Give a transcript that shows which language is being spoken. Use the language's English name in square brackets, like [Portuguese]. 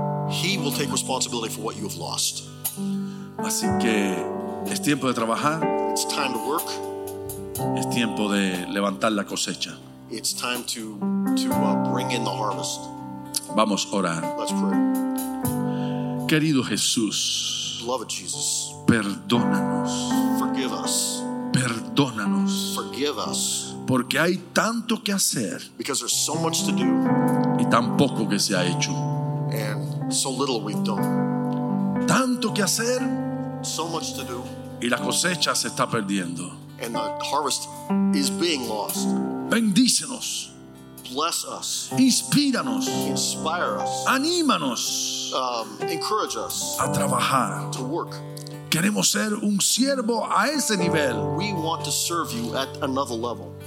[English] He will take responsibility for what you have lost. [Spanish] Así que es tiempo de trabajar. [English] It's time to work. [Spanish] Es tiempo de levantar la cosecha. [English] It's time to bring in the harvest. [Spanish] Vamos a orar. [English] Let's pray. [Spanish] Querido Jesús, [English] beloved Jesus, [Spanish] perdónanos. [English] Forgive us. [Spanish] Perdónanos. [English] Forgive us. [Spanish] Porque hay tanto que hacer. [English] Because there's so much to do. [Spanish] Y tan poco que se ha hecho. [English] And so little we've done. [Spanish] Tanto que hacer. [English] So much to do. [Spanish] Y la cosecha se está perdiendo. [English] And the harvest is being lost. [Spanish] Bendícenos. [English] Bless us. [Spanish] Inspíranos. [English] Inspire us. [Spanish] Anímanos. [English] Encourage us. [Spanish] A trabajar. [English] To work. [Spanish] Queremos ser un siervo a ese nivel. [English] We want to serve you at another level.